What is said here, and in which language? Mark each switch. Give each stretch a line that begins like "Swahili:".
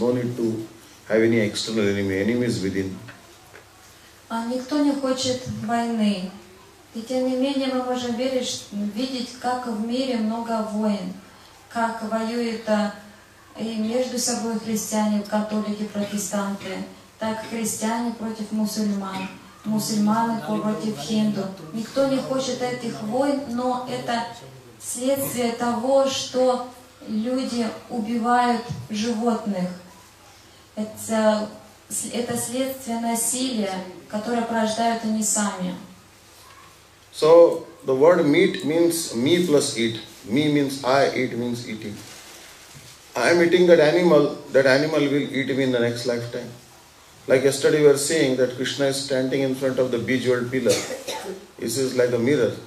English: No need to have any external enemy, enemies within.
Russian: Никто не хочет войны, и тем не менее мы можем видеть, как в мире много войн, как воюют и между собой христиане, католики, протестанты, так христиане против мусульман, мусульманы против хинду. Никто не хочет этих войн, но это следствие того, что люди убивают животных. Это следствие насилия, которое порождают они сами.
English: So, the word meat means me plus eat. Me means I, eat means eating. I am eating that animal will eat me in the next lifetime. Like yesterday we were saying that Krishna is standing in front of the bejeweled pillar. This is like a mirror.